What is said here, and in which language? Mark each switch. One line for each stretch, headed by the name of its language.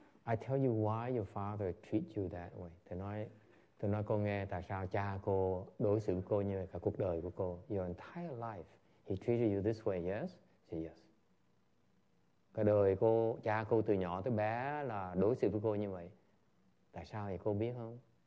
English: I tell you why your father treat you that way.
Vietnamese: Tôi nói cô nghe tại sao cha cô đối xử cô như vậy cả cuộc đời của cô.
English: Your entire life, he treated you this way, yes? Say yes.
Vietnamese: Cả đời cô, cha cô từ nhỏ tới bé là đối xử với cô như vậy. Tại sao vậy cô biết không?